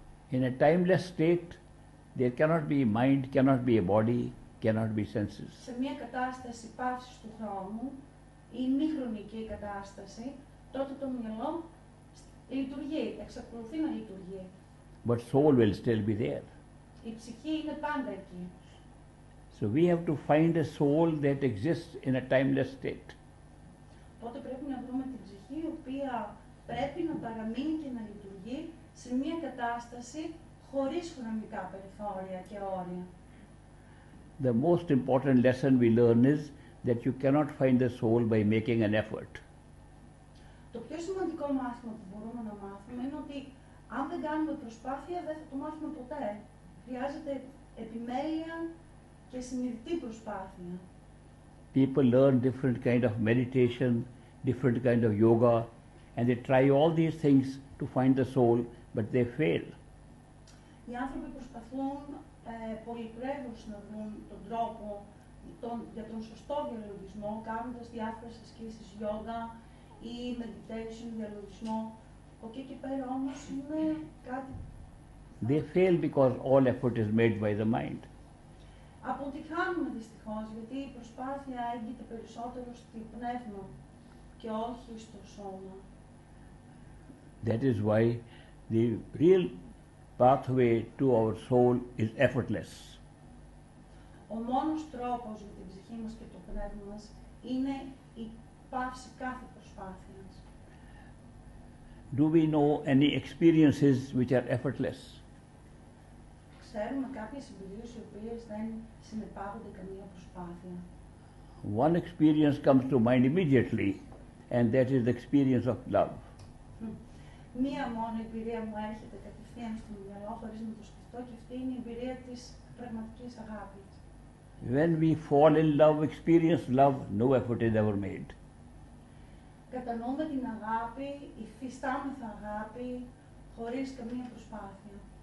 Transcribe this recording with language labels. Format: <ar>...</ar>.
<en>In a timeless state, there cannot be mind, cannot be a body, cannot be senses.</en> <el>Σε μια κατάσταση παύσης του χρόνου, η μη χρονική κατάσταση, τότε το μυαλό λειτουργεί, εξακολουθεί να λειτουργεί.</el> <en>But soul will still be there.</en> <el>Η ψυχή είναι πάντα εκεί.</el> <en>So we have to find a soul that exists in a timeless state.</en> <el>Οπότε πρέπει να βρούμε την ψυχή, η οποία πρέπει να παραμείνει και να λειτουργεί σε μια κατάσταση χωρίς χρονικά περιθώρια και όρια.</el> <en>The most important lesson we learn is that you cannot find the soul by making an effort.</en> <el>Το πιο σημαντικό μάθημα που μπορούμε να μάθουμε είναι ότι αν δεν κάνουμε προσπάθεια δεν θα το μάθουμε ποτέ. Χρειάζεται επιμέλεια και συνειδητή προσπάθεια.</el> <en>People learn different kind of meditation, different kind of yoga, and they try all these things to find the soul, but they fail.</en> <el>Οι άνθρωποι προσπαθούν πολυπρέβως να βρουν τον τρόπο για τον σωστό διαλογισμό, κάνοντας διάφορες ασκήσεις yoga ή meditation, διαλογισμό. Ο εκεί και πέρα όμως είναι κάτι...</el> <en>They fail because all effort is made by the mind.</en> <el>Αποτυχάνουμε δυστυχώς, γιατί η προσπάθεια έγκυται περισσότερο στο πνεύμα και όχι στο σώμα.</el> <en>That is why the real pathway to our soul is effortless.</en> <el>Ο μόνος τρόπος για την ψυχή μας και το πνεύμα μας είναι η παύση κάθε προσπάθειας.</el> <en>Do we know any experiences which are effortless?</en> <el>Ξέρουμε κάποιες εμπειρίες οι οποίες δεν συνεπάγονται καμία προσπάθεια.</el> <en>One experience comes to mind immediately, and that is the experience of love.</en> <el>Μία μόνο εμπειρία μου έρχεται κατευθείαν στο μυαλό, χωρίς να το σκεφτώ, και αυτή είναι η εμπειρία της πραγματικής αγάπης.</el> <en>When we fall in love, experience love, no effort is ever made.</en> <el>Κατανοούμε την αγάπη, υφιστάμεθα αγάπη, χωρίς καμία προσπάθεια.</el>